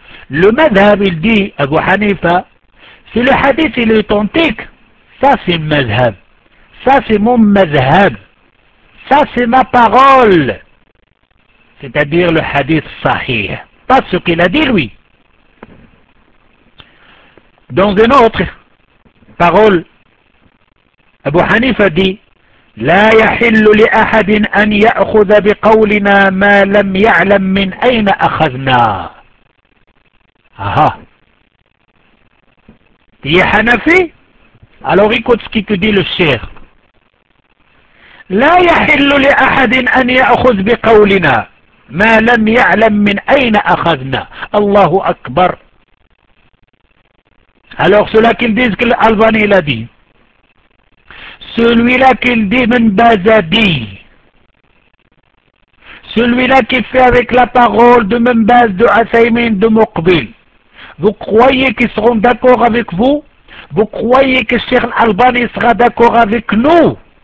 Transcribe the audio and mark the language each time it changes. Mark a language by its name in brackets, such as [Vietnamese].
[French] Le madhhab, il dit, Abu Hanifa, si le hadith est authentique, ça c'est le madhhab. Ça c'est mon madhhab. Ça c'est ma parole. C'est-à-dire le hadith sahih. Pas ce qu'il a dit, lui. Dans une autre parole, Abu Hanifa dit, [Arabic] لا يحل لأحد أن يأخذ بقولنا ما لم يعلم من أين أخذنا. Aha. [French] Tu es Hanafi? Alors écoute ce qui te dit le Cheikh. [Arabic] لا يحل لأحد أن يأخذ بقولنا ما لم يعلم من أين أخذنا. الله أكبر. [French] Alors cela qu'il dit, ce que l'Albani l'a dit. Celui-là qu'il dit, من بازابي. Celui-là qui fait avec la parole de من باز, de عثيمين, de مقبل. Vous croyez qu'ils seront d'accord avec vous? Vous croyez que Cheikh Al-Albani sera d'accord avec nous?